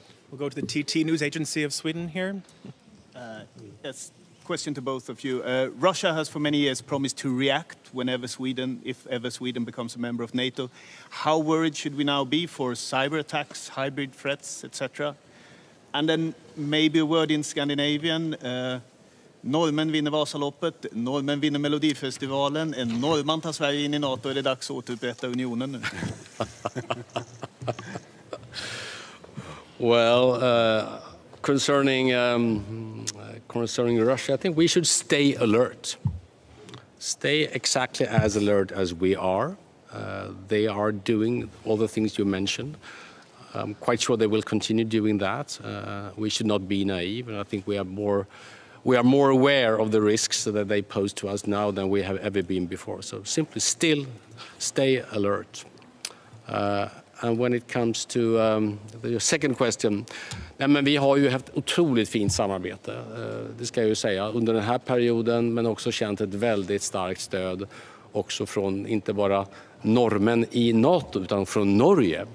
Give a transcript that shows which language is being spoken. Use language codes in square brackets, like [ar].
[en] We'll go to the TT News Agency of Sweden here. Yes, question to both of you. Russia has for many years promised to react whenever Sweden, if ever Sweden becomes a member of NATO. How worried should we now be for cyber attacks, hybrid threats, etc.? And then maybe a word in Scandinavian. [sv] Norrmän vinner Vasaloppet, Norrmän vinner Melodifestivalen, en norrman tar Sverige in i NATO, är det dags att återupprätta unionen nu? [en] Well, concerning Russia, I think we should stay alert. Stay exactly as alert as we are. They are doing all the things you mentioned. I'm quite sure they will continue doing that. We should not be naive, and I think we are more aware of the risks that they pose to us now than we have ever been before. So simply still stay alert. And when it comes to your second question, [sv] nej, men vi har ju haft otroligt fint samarbete, det ska jag ju säga, under den här perioden, men också känt ett väldigt starkt stöd också från inte bara norrmän i NATO utan från Norge.